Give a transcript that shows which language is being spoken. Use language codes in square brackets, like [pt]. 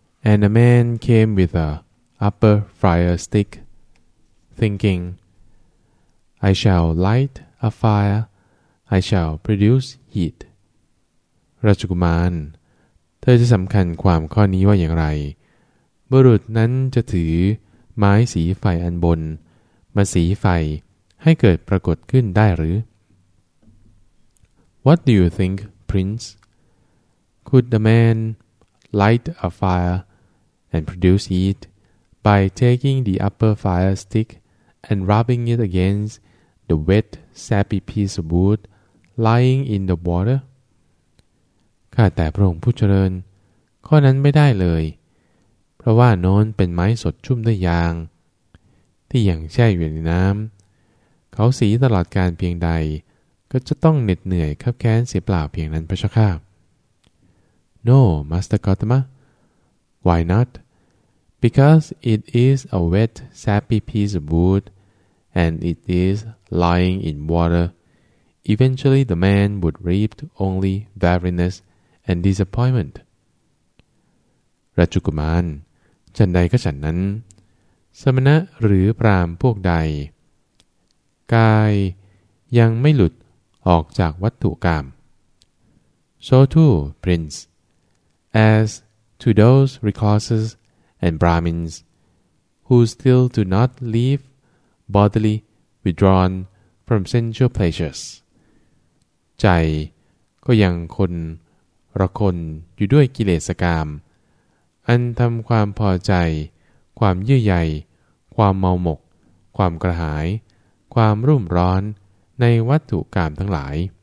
[en] And a man came with a upper fire stick thinking I shall light a fire I shall produce heat [th] ราชกุมารเธอจะสำคัญความข้อนี้ว่าอย่างไรบุรุษนั้นจะถือไม้สีไฟอันบนมาสีไฟให้เกิดปรากฏขึ้นได้หรือ [en] What do you think, Prince? Could the man light a fire and produce heat by taking the upper fire stick and rubbing it against the wet, sappy piece of wood lying in the water? [th] ข้าแต่พระองค์ผู้เจริญข้อนั้นไม่ได้เลยเพราะว่าโน้นเป็นไม้สดชุ่มด้วยยางที่ยังแช่อยู่ในน้ำเขาสีตลอดการเพียงใดก็จะต้องเหน็ดเหนื่อยครับแค้นเสียเปล่าเพียงนั้นพระเจ้าข้า [en] No, Master Gautama. Why not? Because it is a wet, sappy piece of wood, and it is lying in water. Eventually, the man would reap only barrenness and disappointment. [th] ราชกุมารฉันใดก็ฉันนั้นสมณะหรือพราหมณ์พวกใดกายยังไม่หลุดออกจากวัตถุกาม [en] So too, Prince, as to those recluses and Brahmins who still do not live bodily withdrawn from sensual pleasures, [th] ใจก็ยังคนระคนอยู่ด้วยกิเลสกามอันทำความพอใจความยื่อใยความเมาหมกความกระหายความรุ่มร้อนในวัตถุกามทั้งหลาย